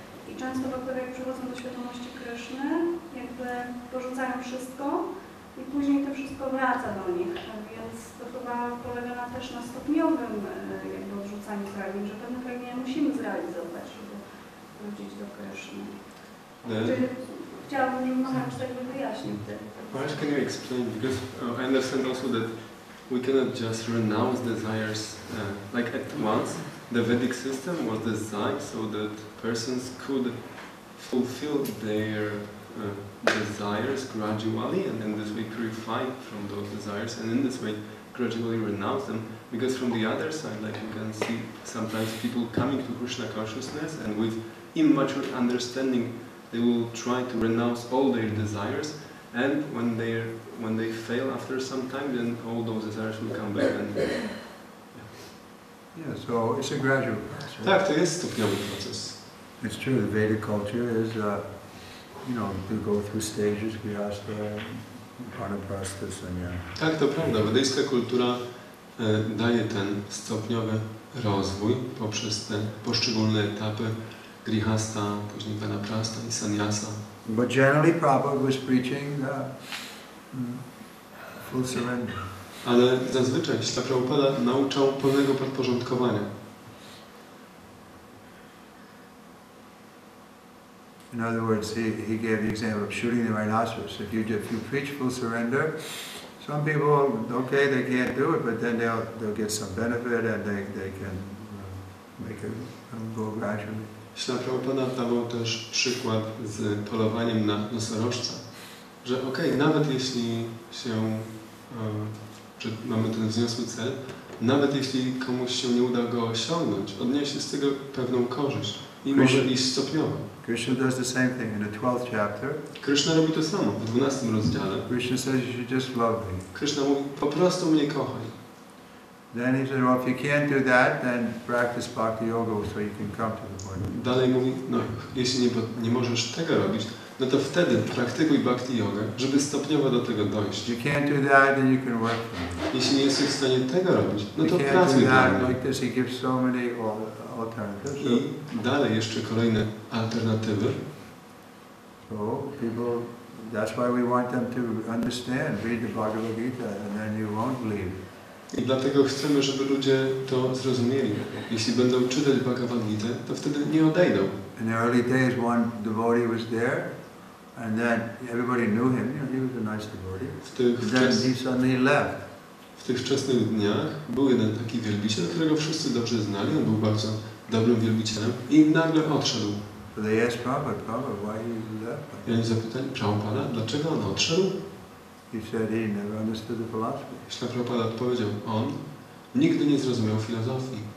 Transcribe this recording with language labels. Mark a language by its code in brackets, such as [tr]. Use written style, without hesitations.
[pl] I często bakterie, jak przychodzą do świadomości Kryszny, jakby porzucają wszystko, i później to wszystko wraca do nich, więc to chyba polega na też na stopniowym jakby odrzucaniu pragnień, że pewne pragnienia musimy zrealizować, żeby wrócić do Kryszny. Chciałabym, żebym mogła coś tak wyjaśnić. [en] Perhaps can you explain, because I understand also that we cannot just renounce desires like at once. The Vedic system was designed so that persons could fulfill their desires gradually, and in this way purify from those desires, and in this way gradually renounce them. Because from the other side, like you can see sometimes people coming to Krishna consciousness and with immature understanding, they will try to renounce all their desires, and when they fail after some time, then all those desires will come back. And, yeah, so it's a gradual process. [pl] Tak, to jest stopniowy proces. [en] It's true, the Vedic culture is, you know, to go through stages, grihastha, anaprastha, sannyasa. [pl] Tak, to prawda. Wedyjska kultura daje ten stopniowy rozwój poprzez te poszczególne etapy grihastha, później anaprastha i sannyasa. [en] But generally, Prabhupada was preaching full surrender. [pl] Ale zazwyczaj Śla Prabhupada nauczał pełnego podporządkowania. [en] In other words, he gave the example of shooting the rhinoceros. If you preach full surrender, some people, okay, they can't do it, but then they'll get some benefit and they can make it go gradually. [pl] Śla Prabhupada dawał też przykład z polowaniem na nosorożca, że okej, okay, nawet jeśli się, czy mamy ten wzniosły cel, nawet jeśli komuś się nie uda go osiągnąć, odniesie z tego pewną korzyść i może iść stopniowo. [en] Krishna does the same thing in the 12th chapter. [pl] Krishna robi to samo w 12 rozdziale. [en] Krishna says you should just love me. [pl] Krishna mówi, po prostu mnie kochaj. [en] Then he said, well, if you can't do that, then practice bhakti yoga so you can come to the point. [pl] Dalej mówi, no, jeśli nie możesz tego robić, no to wtedy praktykuj bhakti yoga, żeby stopniowo do tego dojść. [en] If you can't do that, then you can work. [pl] Jeśli nie jesteś w stanie tego robić, no to [en] you [pl] pracuj [en] that, like this, he gives so many alternatives. [pl] I dalej jeszcze kolejne alternatywy. [en] So people, that's why we want them to understand, read the Bhagavad Gita, and then you won't leave. [pl] I dlatego chcemy, żeby ludzie to zrozumieli. Jeśli będą czytać Bhagavad Gita, to wtedy nie odejdą. [en] In the early days, one devotee was there, and then everybody knew him. You know, he was a nice devotee. Then he suddenly left. [pl] W tych wczesnych dniach był jeden taki wielbiciel, którego wszyscy dobrze znali. On był bardzo dobrym wielbicielem i nagle odszedł. [en] Prabhupada, [pl] oni zapytali Prabhupada, dlaczego on odszedł? [en] He said he never understood the philosophy. [pl] Śla Prabhupada odpowiedział, on nigdy nie zrozumiał filozofii.